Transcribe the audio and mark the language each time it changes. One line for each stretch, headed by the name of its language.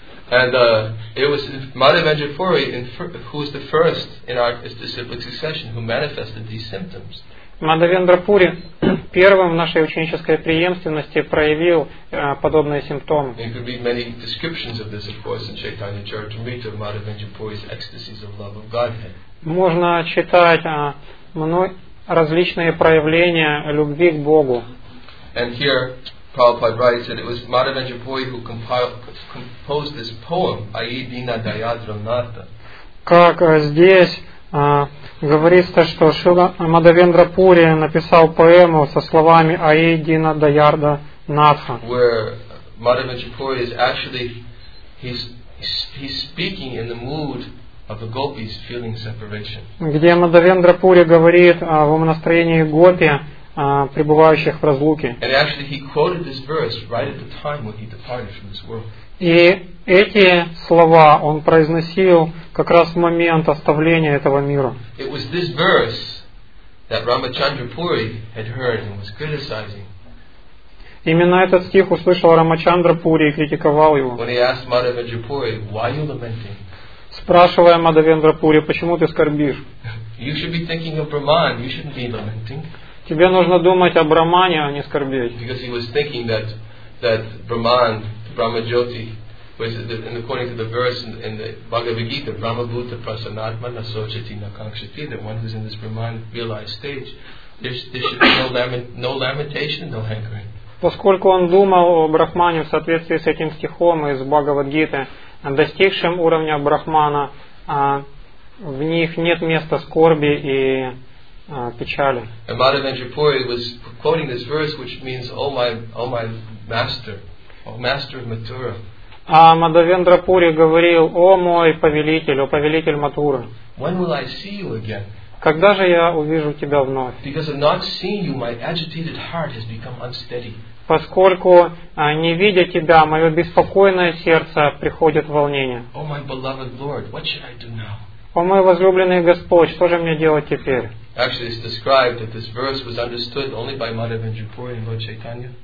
English: And it was Madhavendrapuri who was the first in our disciplic succession who manifested these symptoms.
Russian: Мадхавендрапури первым в нашей ученической преемственности проявил подобные симптомы.
English: You could read many descriptions of this, of course, in Chaitanya Charitamrita, Madhavendrapuri's ecstasies of love of Godhead.
Russian: Можно читать различные проявления любви к Богу.
English: And here Prabhupada writes that it was Madhavendrapuri who composed this poem, i.e.
Sanskrit: Dina Dayadram Nartha.
Russian: Как здесь говорится, что Шрила Мадхавендрапури написал поэму со словами «Аи Дина Даярда Натха».
English: Where Madhavendrapuri is actually he's speaking in the mood of the gopis feeling separation.
Russian: Где Мадхавендрапури говорит в умонастроении гопи, пребывающих в разлуке.
English: And actually he quoted this verse right at the time when he departed from this world.
Russian: И эти слова он произносил как раз в момент оставления этого мира.
English: It was this verse that Рамачандрапури had heard and was criticizing.
Russian: Именно этот стих услышал Рамачандрапури и критиковал его.
English: When he asked Madhavendrapuri, why are you lamenting?
Russian: Спрашивая Мадхавендрапури, почему ты скорбишь?
English: You should be thinking of Brahman, you shouldn't be lamenting.
Russian: Тебе нужно думать о Брахмане, а не скорбеть.
English: Because he was thinking that Brahman, Brahmajyoti, was and according to the verse in the Bhagavad Gita,
Sanskrit: Brahmabhuta Prasanatmana Sochati Nakankshati,
English: that one who's in this Brahman realized stage, there should be no lamentation, no hankering.
Russian: Поскольку он думал о Брахмане в соответствии с этим стихом из Бхагавад Гиты, достигшим уровня Брахмана, в них нет места скорби и печали.
English: And Madhavendrapuri was quoting this verse, which means, "Oh my master, oh master of Mathura."
Russian: А Мадхавендрапури говорил, о мой повелитель, о повелитель Матуры.
English: When will I see you again?
Russian: Когда же я увижу тебя вновь?
English: Because of not seeing you, my agitated heart has become unsteady.
Russian: Поскольку не видя тебя, мое беспокойное сердце приходит в волнение.
English: Oh my beloved Lord, what should I do now?
Russian: О мой возлюбленный Господь, что же мне делать теперь?
English: Actually, it's described that this verse was understood only by Madhavendrapuri and Lord Chaitanya.